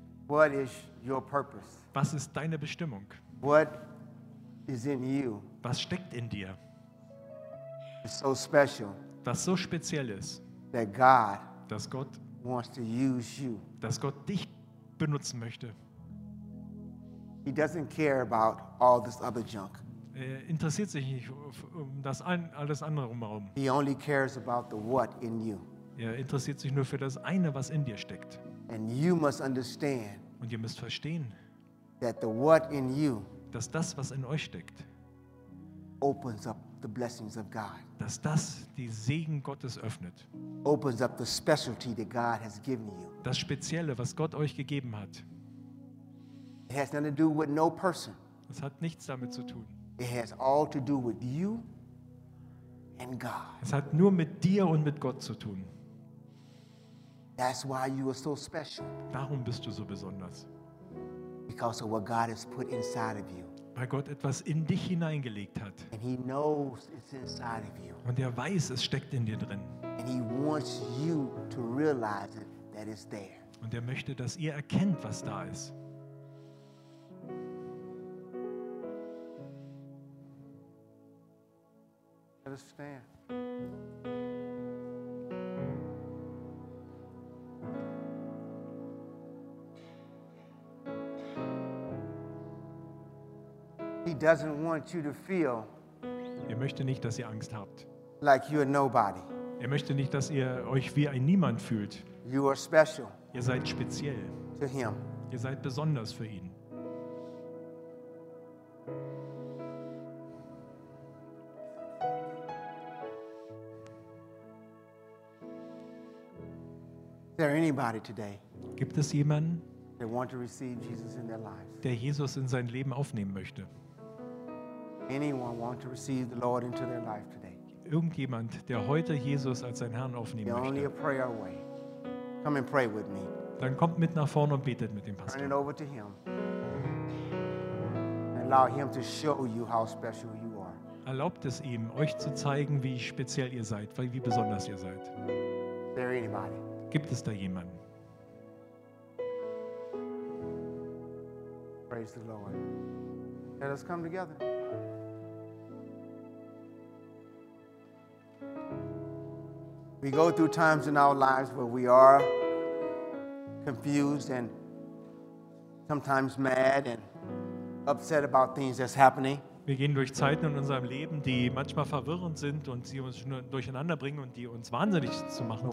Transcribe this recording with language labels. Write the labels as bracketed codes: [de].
[en] What is your purpose? [de] Was ist deine Bestimmung? [en] What is in you? [de] Was steckt in dir? [en] It's so special. [de] Das so speziell ist. [en] That God. [de] Dass Gott. [en] Wants to use you. [de] Dass Gott dich benutzen möchte. [en] He doesn't care about all this other junk. [de] Er interessiert sich nicht um das alles andere drumherum. [en] He only cares about the what in you. [de] Er interessiert sich nur für das eine, was in dir steckt. [en] And you must understand. [de] Und ihr müsst verstehen, [en] that the what in you, [de] dass das, was in euch steckt, [en] opens up the blessings of God. [de] Dass das die Segen Gottes öffnet. [en] Opens up the specialty that God has given you. [de] Das Spezielle, was Gott euch gegeben hat. [en] It has nothing to do with no person. [de] Es hat nichts damit zu tun. [en] It has all to do with you and God. [de] Es hat nur mit dir und mit Gott zu tun. [en] That's why you are so special. [de] Darum bist du so besonders. [en] Because of what God has put inside of you. [de] Weil Gott etwas in dich hineingelegt hat. [en] And he knows it's inside of you. [de] Und er weiß, es steckt in dir drin. [en] And he wants you to realize it, that it's there. [de] Und er möchte, dass ihr erkennt, was da ist. [en] Let us stand. He doesn't want you to feel. [de] Er möchte nicht, dass ihr Angst habt. [en] Like you're nobody. [de] Er möchte nicht, dass ihr euch wie ein Niemand fühlt. [en] You are special. [de] Ihr seid speziell. [en] To him. [de] Ihr seid besonders für ihn. [en] Is there anybody today? [de] Gibt es jemanden, [en] they want to receive Jesus in their life? [de] Der Jesus in sein Leben aufnehmen möchte? [en] Anyone want to receive the Lord into their life today? [de] Irgendjemand, der heute Jesus als seinen Herrn aufnehmen [en] You're [de] möchte? [en] Only a prayer away. Come and pray with me. [de] Dann kommt mit nach vorne und betet mit dem Pastor. [en] Turn it over to him. And allow him to show you how special you are. [de] Erlaubt es ihm, euch zu zeigen, wie speziell ihr seid, wie besonders ihr seid. [en] Is there anybody? [de] Gibt es da jemanden? [en] Praise the Lord. Let us come together. We go through times in our lives where we are confused and sometimes mad and upset about things that's happening. [de] Wir gehen durch Zeiten in unserem Leben, die manchmal verwirrend sind und sie uns durcheinander bringen und die uns wahnsinnig zu machen